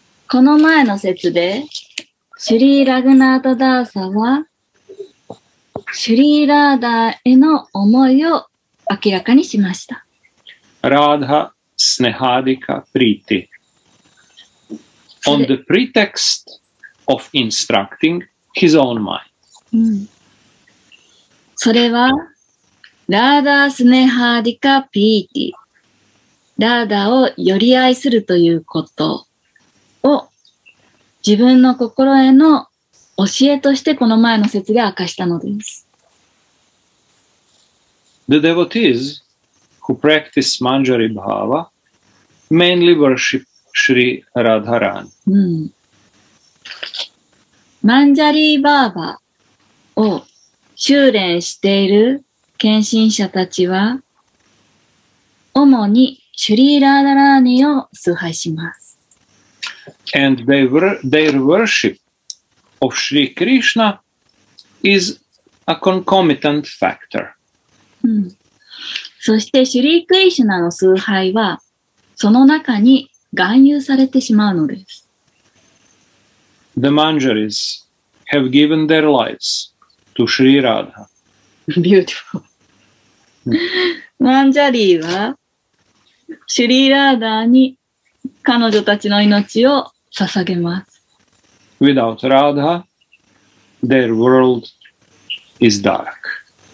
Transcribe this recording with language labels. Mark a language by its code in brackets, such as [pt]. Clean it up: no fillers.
[ja] この前の説で、シュリー・ラグナート・ダーサは、シュリー・ラーダーへの思いを明らかにしました。 [sa] Radha Snehadika Priti. [en] On the pretext of instructing his own mind. [ja] それは、ラーダースネハーディカピーティラーダをより愛するということを自分の心への教えとしてこの前の説で明かしたのです。 [en] The devotees who practice Manjari Bhava mainly worship Sri Radharani. [ja] Manjari Bhava を修練している献身者たちは主にシュリー・ラーダラーニを崇拝します。 [en] And their worship of Sri Krishna is a concomitant factor.、 [ja] そして、シュリー・クリシュナの崇拝は、その中に含有されてしまうのです。 [en] The Manjaris have given their lives to Sri Radha. Beautiful. [ja] マンジャリーは、シュリー・ラーダーに彼女たちの命を捧げます。 [en] Without Radha, their world is dark.